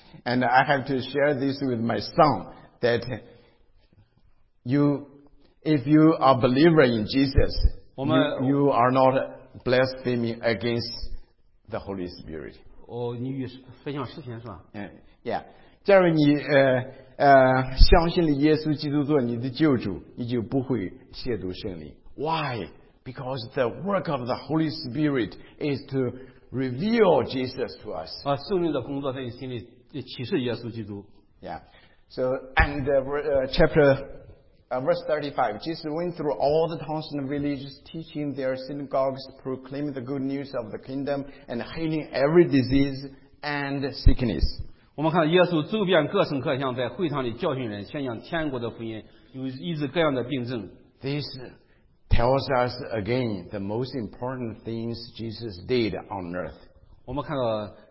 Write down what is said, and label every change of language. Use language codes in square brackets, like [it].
[en] And I have to share this with my son that you, if you are a believer in Jesus, [zh] 我们, [en] you are not blaspheming against the Holy Spirit. [zh] 哦,你与分享事情是吧? [en] Yeah. [zh] 假如你, 相信了耶稣基督做你的救主, 你就不会亵渎圣灵。 [en] Why? Because the work of the Holy Spirit is to reveal Jesus to us. [zh] 圣灵的工作在你心里启示耶稣基督。 [en] Yeah. So, and chapter... verse 35, Jesus went through all the towns and villages, teaching their synagogues, proclaiming the good news of the kingdom, and healing every disease and sickness. [zh] 我们看到耶稣周遍各城各乡在会堂里教训人，宣扬天国的福音，有医治各样的病症。 [en] This tells us again the most important things Jesus did on earth.